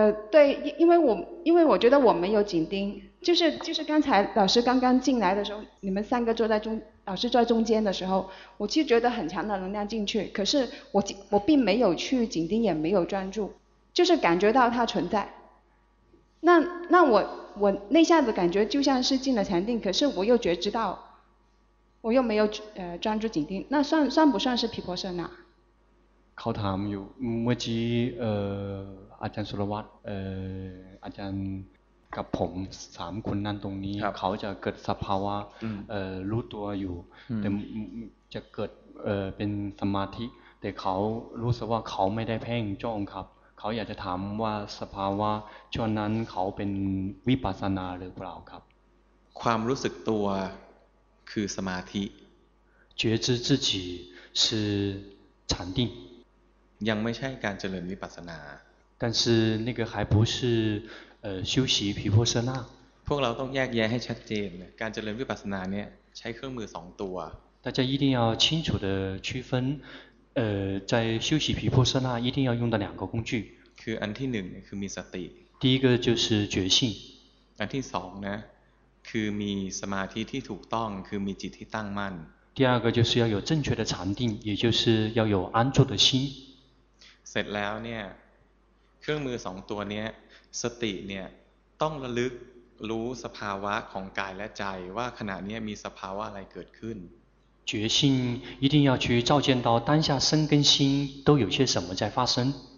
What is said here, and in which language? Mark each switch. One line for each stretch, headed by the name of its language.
Chinese: 对因为我觉得我没有紧盯就是刚才老师刚刚进来的时候你们三个坐在中老师坐在中间的时候我其实觉得很强的能量进去可是我并没有去紧盯也没有专注就是感觉到它存在那我那下子感觉就像是进了禅定可是我又觉知到我又没有专注紧盯那算不算是毗婆舍那
Thai: เขาถามอยู่เมื่อกี้อาจารย์สุรวัตรอาจารย์กับผมสามคนนั่นตรงนี้ เขาจะเกิดสภาวะรู้ตัวอยู่ แต่จะเกิดเป็นสมาธิแต่เขารู้สึกว่าเขาไม่ได้เพ่งจ้องครับเขาอยากจะถามว่าสภาวะช่วงนั้นเขาเป็นวิปัสสนาหรือเปล่าครับ ความรู้สึกตัวคือสมาธิ
Chinese: 觉知自己是禅定
Thai: ยังไม่ใช่การเจริญวิปัสสนา
Chinese: 但是那个还不是修习毗婆舍那
Thai: พวกเราต้องแยกแยะให้ชัดเจนการเจริญวิปัสสนาเนี่ยใช้เครื่องมือ2ตัว
Chinese: 大家一定要清楚的区分在修习毗婆舍那一定要用的两个工具
Thai: คืออันที่1คือมีสติ
Chinese: 第一个就是觉性
Thai: อันที่2นะคือมีสมาธิที่ถูกต้องคือมีจิตที่ตั้งมั่น
Chinese: 第二个就是要有正确的禅定也就是要有安住的心
Thai: เสร็จแล้วเนี่ยเครื่องมือสองตัวนี้สติเนี่ยต้องระลึกรู้สภาวะของกายและใจว่าขณะนี้มีสภาวะอะไรเกิดขึ้น
Chinese: 觉性一定要去照见到当下身跟心都有些什么在发生